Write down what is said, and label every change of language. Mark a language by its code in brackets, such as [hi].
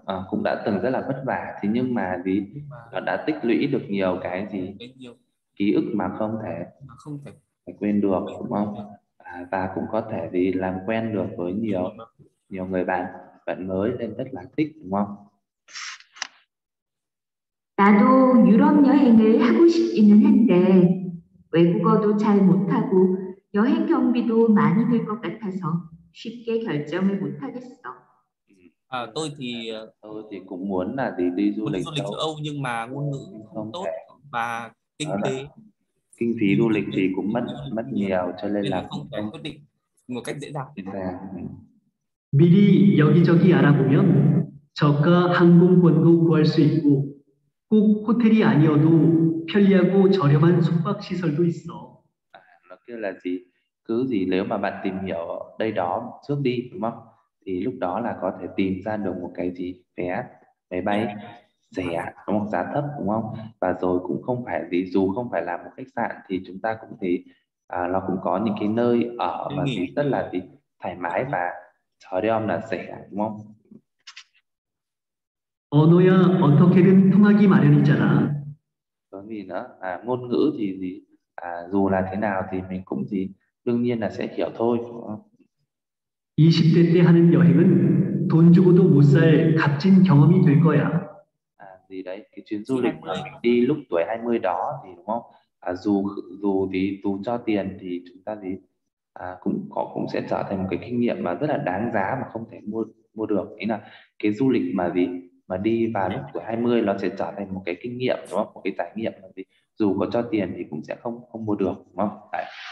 [vi] Cũng đã từng rất là vất vả, thế nhưng mà gì mà... đã tích lũy được nhiều cái gì nhiều... ký ức mà không thể quên được, đúng không? Và cũng có thể gì làm quen được với nhiều người bạn mới nên rất là thích, đúng không? [ko] 나도 유럽 여행을 하고 싶기는 한데 외국어도 잘 못하고 여행 경비도 많이 들 것 같아서 쉽게 결정을 못하겠어. [vi] Tôi thì cũng muốn là đi du lịch châu Âu nhưng mà ngôn ngữ không tốt thể. Và kinh phí du lịch thì cũng mất nhiều cho nên là không thể quyết định một cách dễ dàng. [ko] 미리 여기저기 알아보면 저가 항공권도 구할 수 있고 꼭 호텔이 아니어도 편리하고 저렴한 숙박 시설도 있어. [vi] Nó kêu là gì? Cứ gì nếu mà bạn tìm hiểu đây đó trước đi, đúng không? Thì lúc đó là có thể tìm ra được một cái gì vé máy bay rẻ, đúng không? Giá thấp, đúng không? Và rồi cũng không phải gì, dù không phải là một khách sạn thì chúng ta cũng thấy nó cũng có những cái nơi ở và gì rất là gì thoải mái và chỗ đi là rẻ, đúng không? [ko] 언어야 어떻게든 통하기 마련이잖아. [vi] Có gì nữa? Ngôn ngữ thì gì dù là thế nào thì mình cũng gì đương nhiên là sẽ hiểu thôi, đúng không? [ko] 20대 때 하는 여행은 돈 주고도 못 살 값진 경험이 될 거야. [vi] 아, 네, đấy, cái chuyến du lịch mà mình đi lúc tuổi 20 đó thì đúng không? Dù cho tiền thì chúng ta thì cũng sẽ trở thành một cái kinh nghiệm mà rất là đáng giá mà không thể mua được. Ý là cái du lịch mà gì mà đi vào lúc tuổi 20 nó sẽ trở thành một cái kinh nghiệm, đúng không? Một cái trải nghiệm mà gì dù có cho tiền thì cũng sẽ không mua được, đúng không? Đấy.